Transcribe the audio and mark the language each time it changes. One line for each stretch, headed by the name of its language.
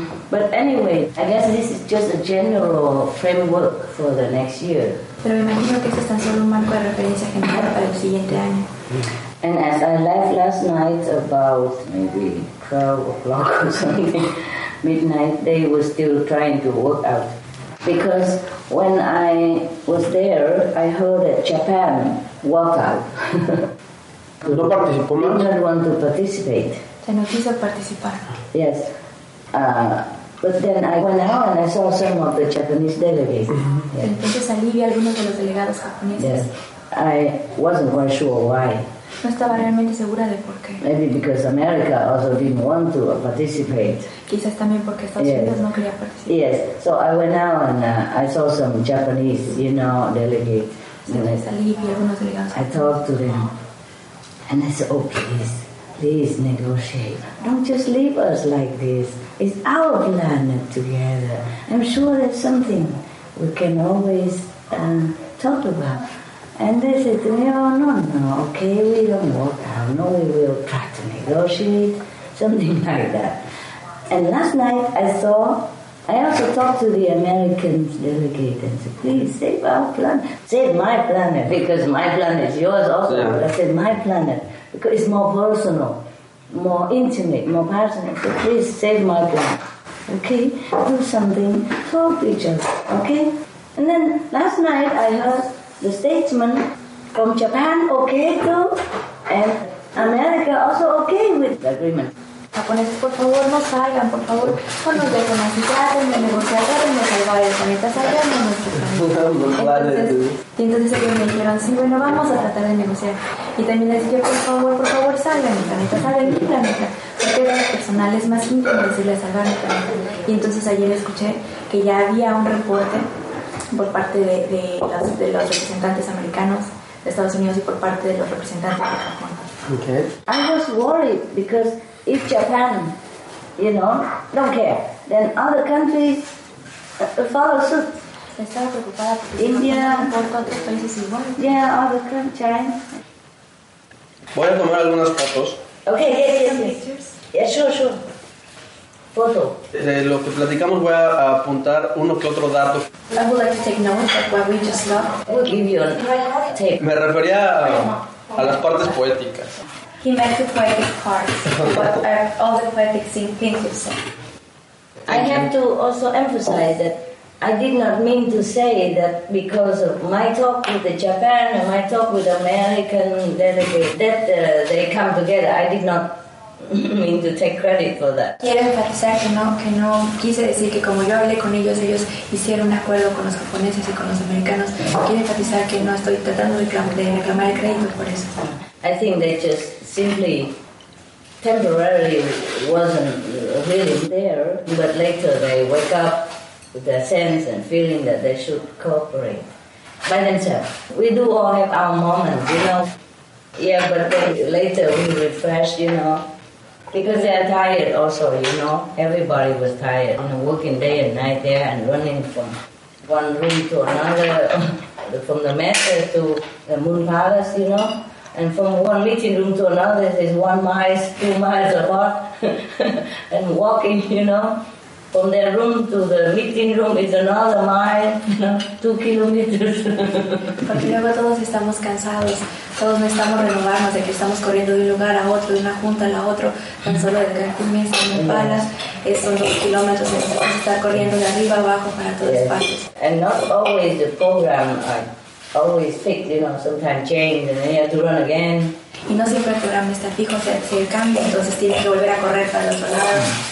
English: But anyway, I guess this is just a general framework for the next year.
Spanish: Pero me imagino que esto es tan solo un marco de referencia general para el siguiente año.
English: And as I left last night about maybe 12 o'clock or something, midnight, they were still trying to work out. Because when I was there, I heard that Japan walked out.
Spanish: No participó más.
English: They didn't want to participate.
Spanish: Se no quiso participar.
English: Yes. But then I went out and I saw some of the Japanese delegates.
Spanish: Entonces salí y algunos de los delegados japoneses.
English: I wasn't quite sure why.
Spanish: No estaba realmente segura de por qué.
English: Maybe because America also didn't want to participate.
Spanish: Quizás también porque Estados Unidos no quería participar.
English: Yes, so I went out and I saw some Japanese, you know, delegates. I talked to them and I said, oh, please negotiate. Don't just leave us like this. It's our planet together. I'm sure there's something we can always talk about. And they said to me, oh, no, okay, we don't work out. No, we will try to negotiate, something like that. And last night I also talked to the American delegate and said, please save our planet. Save my planet, because my planet is yours also. Yeah. I said, my planet, because it's more personal, more intimate, more personal. So please save my planet, okay? Do something, talk to each other, okay? And then last night I heard the statesman from Japan, okay, too, and America also okay with the agreement.
Spanish: Japoneses, por favor, no salgan, por favor. No nos dejen así, traten de negociar, traten de salvar el planeta, salgan de nuestro planeta. Entonces, y entonces ellos me dijeron, sí, bueno, vamos a tratar de negociar. Y también les dije, por favor, salgan del planeta, salgan del planeta. Porque era personal, es más íntimo decirle salvar el planeta. Y entonces ayer escuché que ya había un reporte por parte de los representantes americanos de Estados Unidos y por parte de los representantes de Japón.
English: Okay. I was worried because if Japan, you know, don't care, then other countries follow suit.
Spanish: Estaba preocupada porque India, otros países igual.
English: Yeah, other countries, China.
Spanish: Voy a tomar algunas fotos.
English: Okay, yes. Sure. Foto.
Spanish: Lo que platicamos voy a apuntar uno que otro dato.
English: I would like to take notes of what we just saw. We'll give you a tape.
Spanish: Me refería a las partes poéticas.
English: He meant the poetic parts, all the poetic things you said. I have to also emphasize that I did not mean to say that because of my talk with the Japan and my talk with the American delegate that they come together. I did not mean to take credit for that.
Spanish: Quiero enfatizar que no quise decir que como yo hablé con ellos hicieron un acuerdo con los japoneses y con los americanos. Quiero enfatizar que no estoy tratando de reclamar el crédito por eso.
English: I think they just simply temporarily wasn't really there, but later they wake up with their sense and feeling that they should cooperate by themselves. We do all have our moments, you know. Yeah, but then later we refresh, you know, because they are tired also, you know. Everybody was tired, you know, working day and night there and running from one room to another, from the master to the moon palace, you know. And from one meeting room to another, it's 1 mile, 2 miles apart. And walking, you know. From their room to the meeting room is another mile, you know, 2 kilometers.
Spanish: Porque luego todos estamos cansados. Todos necesitamos renovarnos de que estamos corriendo de un lugar a otro, de una junta a la otra. Tan solo de Cancún Mexico, en Palas, son 2 kilómetros. Necesitamos estar corriendo de arriba abajo para todos partes.
English: And not always the program always fixed, you know, sometimes change and then you have to run again.
Spanish: Y no siempre el programa está fijo, se cambia, entonces tiene que volver a correr para el otro lado.